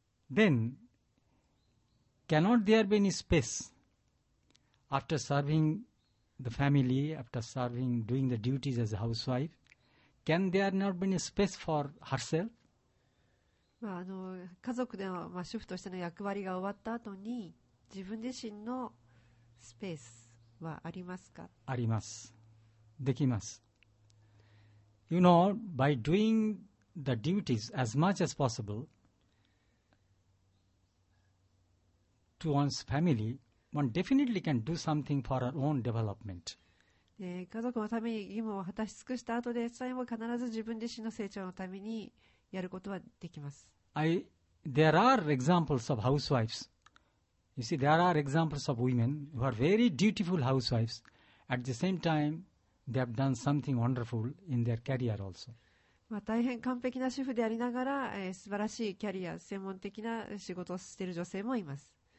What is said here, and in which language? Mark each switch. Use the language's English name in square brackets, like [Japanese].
[English] Then, cannot there be any space after serving the family, after serving, doing the duties as a housewife? Can there not be any space for herself? [Japanese] まあ、家族では、まあ、主婦としての役割が終わった後に、自分自身のスペース。はありますか。あります。できます。 [English] You know, by doing the duties as much as possible to one's family, one definitely can do something for her own development. [Japanese] 家族のために義務を果たし尽くした後で、それも必ず自分自身の成長のためにやることはできます。 [English] There are examples of housewives. You see, there are examples of women who are very dutiful housewives. At the same time, they have done something wonderful in their career also. [Japanese] まあ、大変完璧な主婦でありながら、素晴らしいキャリア、専門的な仕事をしている女性もいます。